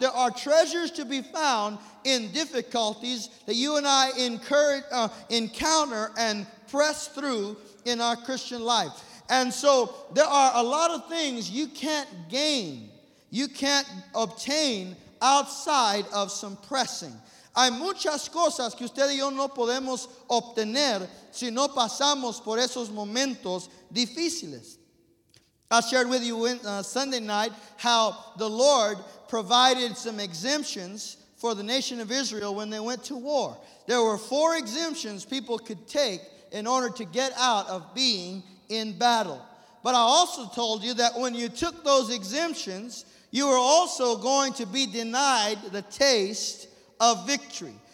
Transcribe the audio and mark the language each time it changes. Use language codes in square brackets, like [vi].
[en] There are treasures to be found in difficulties that you and I encounter and press through in our Christian life. And so there are a lot of things you can't gain, you can't obtain outside of some pressing. [es] Hay muchas cosas que usted y yo no podemos obtener si no pasamos por esos momentos difíciles. [en] I shared with you Sunday night how the Lord provided some exemptions for the nation of Israel when they went to war. There were four exemptions people could take in order to get out of being in battle. But I also told you that when you took those exemptions, you were also going to be denied the taste of victory.